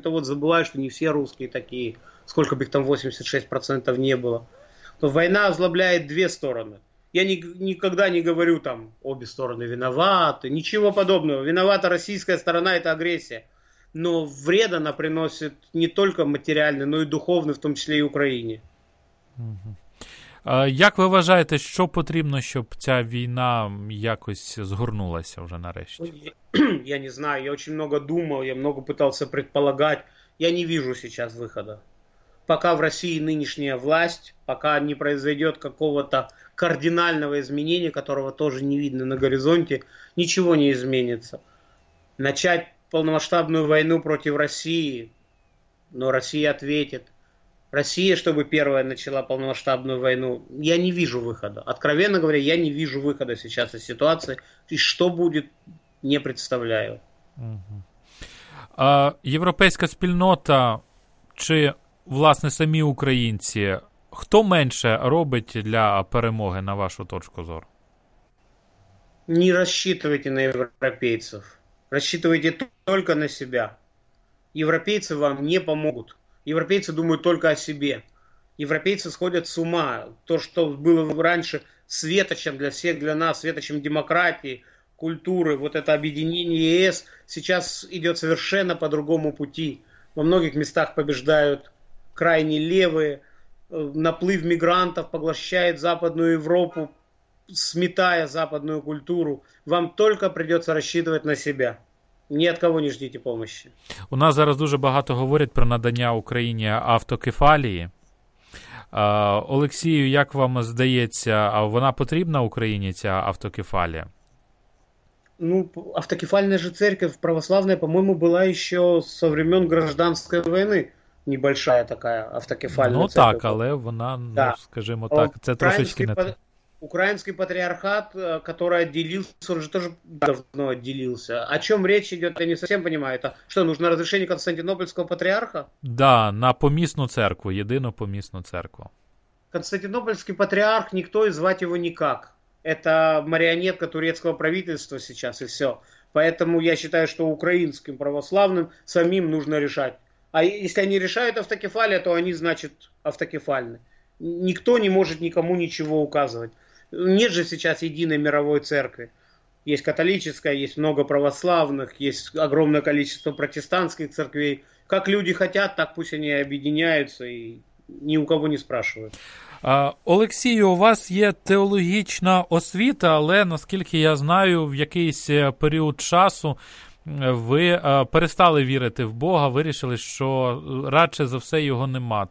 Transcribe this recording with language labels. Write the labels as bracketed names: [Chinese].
[Russian] То вот забывают, что не все русские такие, сколько бы их там 86% не было. Но война озлобляет две стороны. Я никогда не говорю там, обе стороны виноваты, ничего подобного. Виновата российская сторона, это агрессия. Но вред она приносит не только материальный, но и духовный, в том числе и Украине. [Ukrainian] Як ви вважаєте, що потрібно, щоб ця війна якось згорнулася вже нарешті? [Russian] Я не знаю, я очень много думал, я много пытался предполагать. Я не вижу сейчас выхода. Пока в России нынешняя власть, пока не произойдет какого-то кардинального изменения, которого тоже не видно на горизонте, ничего не изменится. Начать полномасштабную войну против России, но Россия ответит. Россия, чтобы первая начала полномасштабную войну, я не вижу выхода. Откровенно говоря, я не вижу выхода сейчас из ситуации. И что будет, не представляю. [Ukrainian] Европейская спільнота, чи, власне, самі українці, хто менше робить для перемоги, на вашу точку зору? [Russian] Не рассчитывайте на европейцев. Рассчитывайте только на себя. Европейцы вам не помогут. Европейцы думают только о себе. Европейцы сходят с ума. То, что было раньше светочем для всех, для нас, светочем демократии, культуры, вот это объединение ЕС, сейчас идет совершенно по другому пути. Во многих местах побеждают крайне левые. Наплыв мигрантов поглощает Западную Европу, сметая западную культуру. Вам только придется рассчитывать на себя. [Ukrainian] Ні від кого не ждіть допомоги. У нас зараз дуже багато говорять про надання Україні автокефалії. Олексію, як вам здається, а вона потрібна Україні, ця автокефалія? Ну, автокефальна ж церковь православна, по-моєму, була ще [Russian] со времен гражданської [Ukrainian] війни. Небольшая така автокефальна церковь. Ну так, але вона, ну, да. Скажімо так, це трошечки не так. [Russian] Украинский патриархат, который отделился, уже тоже давно отделился. О чем речь идет, я не совсем понимаю. Это что, нужно разрешение Константинопольского патриарха? Да, на поместную церковь, единую поместную церковь. Константинопольский патриарх, никто и звать его никак. Это марионетка турецкого правительства сейчас, и все. Поэтому я считаю, что украинским православным самим нужно решать. А если они решают автокефалию, то они, значит, автокефальны. Никто не может никому ничего указывать. Нет же сейчас единой мировой церкви. Есть католическая, есть много православных, есть огромное количество протестантских церквей. Как люди хотят, так пусть они объединяются и ни у кого не спрашивают. [Ukrainian] Олексію, у вас є теологічна освіта, але, наскільки я знаю, в якийсь період часу ви перестали вірити в Бога, вирішили, що радше за все його нема.